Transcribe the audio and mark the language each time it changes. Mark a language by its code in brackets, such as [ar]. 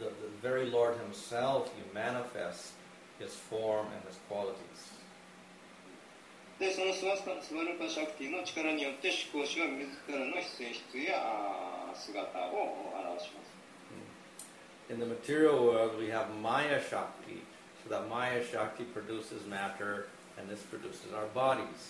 [en] the very Lord Himself, He manifests His form and His qualities. [ja] で、そのスワスタ、スワルパシャクティの力によって、思考師は自らの性質や姿を表します。 [en] In the material world, we have Maya Shakti, so that Maya Shakti produces matter, and this produces our bodies.